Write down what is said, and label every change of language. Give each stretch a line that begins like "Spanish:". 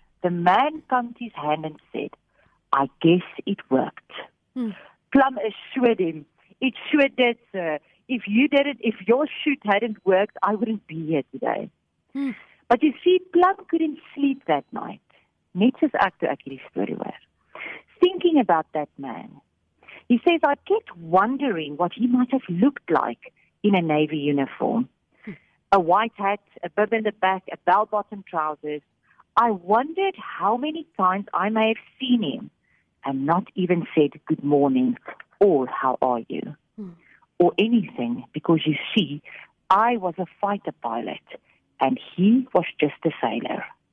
English: The man thumped his hand and said, "I guess it worked." Mm. Plum assured him, "It sure did, sir. If you did it, if your chute hadn't worked, I wouldn't be here today." Mm. But you see, Plum couldn't sleep that night.
Afrikaans: Net soos ek toe ek hierdie storie hoor.
English: Thinking about that man, he says, "I kept wondering what he might have looked like in a Navy uniform. A white hat, a bib in the back, a bell-bottom trousers. I wondered how many times I may have seen him and not even said good morning or how are you or anything, because you see, I was a fighter pilot and he was just a sailor."